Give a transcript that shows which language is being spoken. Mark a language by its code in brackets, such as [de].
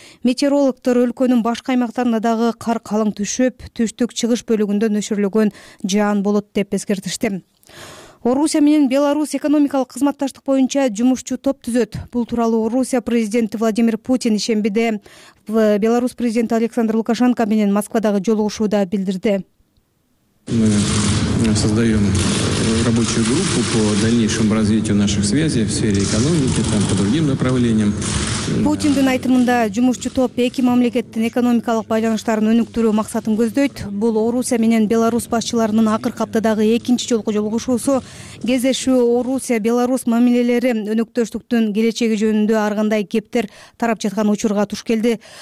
[ky] Метеорологтор өлкөнүн башка аймактарында дагы кар калың түшүп, түштүк чыгыш бөлүгүндө нөшөрлөгөн жаан болот деп эскертишти. Орусия менен Беларусь экономикалык кызматташтык боюнча жумушчу топ түзөт. Бул тууралуу Орусия президенти Владимир Путин ишембиде Беларусь президенти Александр Лукашенко менен Москвадагы жолугушууда билдирди. [ru] Создаем рабочую группу по дальнейшему развитию наших связей в сфере экономики, там по другим направлениям. [ky] Путиндин айтымында жумушчу топ эки мамлекеттин экономикалык байланыштарын өнүктүрүү максатын көздөйт. Бул Орусия менен Беларусь башчыларынын акыркы аптадагы экинчи жолку жолугушуусу. Кездешүү Орусия Беларусь мамилелери өнүктөштүктүн келечеги жөнүндө ар кандай кептер тарап жаткан учурга туш келди.